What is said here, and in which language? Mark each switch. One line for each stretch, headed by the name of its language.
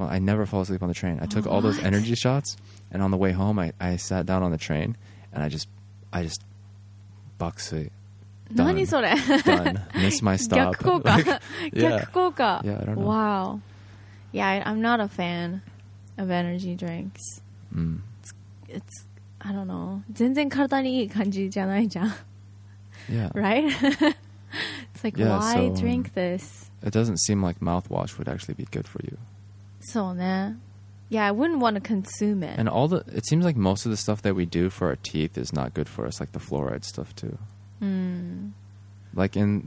English: I never fall asleep on the train. I took all those energy shots, and on the way home, I sat down on the train, and I just buckseat.
Japanese: 何それ?
English: Done. Missed my stop.
Japanese: 逆効果.Like,
English: yeah.
Japanese: 逆効果.
English: Yeah, I don't know. Wow. Yeah, I'm not a fan of energy drinks. It's I don't know.
Japanese: 全然体にいい感じじゃないじゃん.
English: Yeah. Right? It's like, yeah, why so, drink this? It doesn't seem like mouthwash would actually be good for you. So, nah. Yeah, I wouldn't want to consume it. And all the... It seems like most of the stuff that we do for our teeth is not good for us, like the fluoride stuff, too. Like, in...